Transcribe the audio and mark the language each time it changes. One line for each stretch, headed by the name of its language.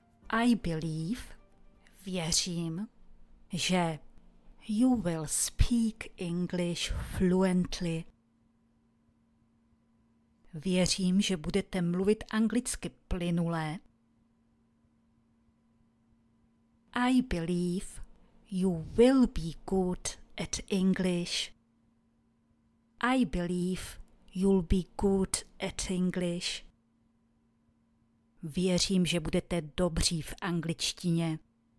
English: I believe,
Czech: věřím, že
English: you will speak English fluently.
Czech: Věřím, že budete mluvit anglicky plynule.
English: I believe you will be good at English. I believe you'll be good at English.
Czech: Věřím, že budete dobří v angličtině.